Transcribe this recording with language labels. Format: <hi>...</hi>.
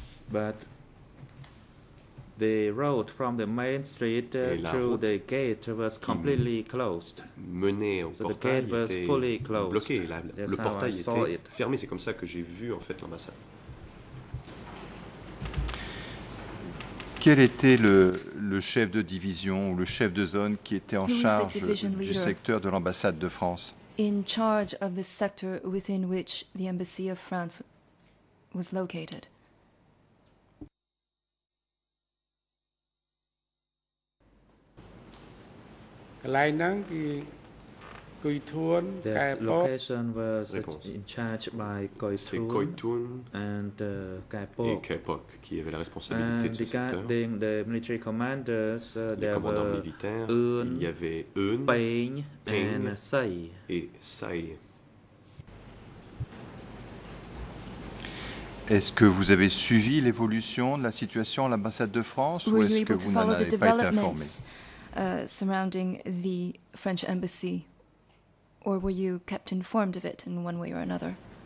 <en>But the road from the main street to the gate was completely closed.</en> <fr>Menait au portail,</fr> <en>the gate was fully closed.</en> <fr>Bloqué. Le portail était fermé. C'est comme ça que j'ai vu en fait l'ambassade. Quel était le chef de division ou le chef de zone qui était en charge du secteur de l'ambassade de France?</fr> <en>In charge of the sector within which the embassy of France was located. The location was in charge by Koitun and</en> <fr>Kaipok, qui avait la responsabilité de ce secteur.</fr> <en>The military commanders, there were Eun, Peng, and Sai.</en> <fr>Et Sai. Est-ce que vous avez suivi l'évolution de la situation à l'ambassade de France, ou est-ce que vous n'en avez pas été informé?</fr> <en>Surrounding the French embassy, or were you kept informed of it in one way or another?</en>